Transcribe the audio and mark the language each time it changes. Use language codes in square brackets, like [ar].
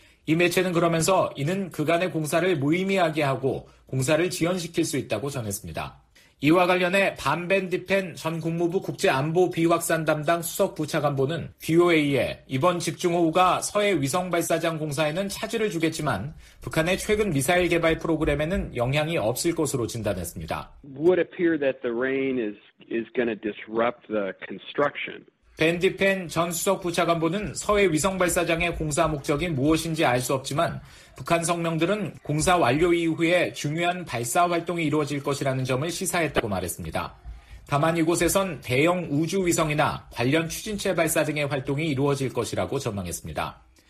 [ko] 이 매체는 그러면서 이는 그간의 공사를 무의미하게 하고 공사를 지연시킬 수 있다고 전했습니다. 이와 관련해 반벤 디펜 전 국무부 국제안보 비확산 담당 수석부차관보는 VOA에 이번 집중호우가 서해 위성발사장 공사에는 차질을 주겠지만 북한의 최근 미사일 개발 프로그램에는 영향이 없을 것으로 진단했습니다. [en] Would appear that the rain is going to disrupt the construction. [ko] 벤 디펜 전 수석부차관보는 서해 위성발사장의 공사 목적인 무엇인지 알 수 없지만 북한 성명들은 공사 완료 이후에 중요한 발사 활동이 이루어질 것이라는 점을 시사했다고 말했습니다. 다만 이곳에선 대형 우주위성이나 관련 추진체 발사 등의 활동이 이루어질 것이라고 전망했습니다.